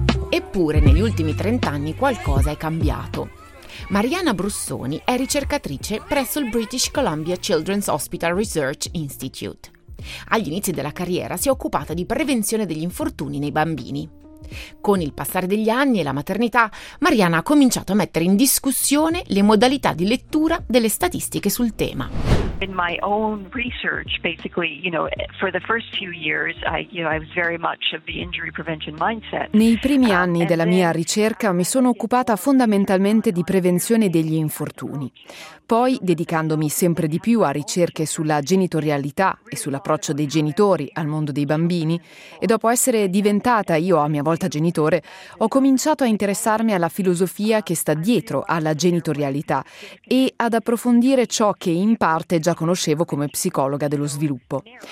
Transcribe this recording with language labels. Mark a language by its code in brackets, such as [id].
[it] Eppure negli ultimi 30 anni qualcosa è cambiato. Mariana Brussoni è ricercatrice presso il British Columbia Children's Hospital Research Institute. Agli inizi della carriera si è occupata di prevenzione degli infortuni nei bambini. Con il passare degli anni e la maternità, Mariana ha cominciato a mettere in discussione le modalità di lettura delle statistiche sul tema. [en] In my own research, basically, you know, for the first few years, I was very much of the injury prevention mindset. [it] Nei primi anni della mia ricerca mi sono occupata fondamentalmente di prevenzione degli infortuni. Poi, dedicandomi sempre di più a ricerche sulla genitorialità e sull'approccio dei genitori al mondo dei bambini, e dopo essere diventata io a mia volta genitore, ho cominciato a interessarmi alla filosofia che sta dietro alla genitorialità e ad approfondire ciò che in parte già conoscevo come psicologa dello sviluppo.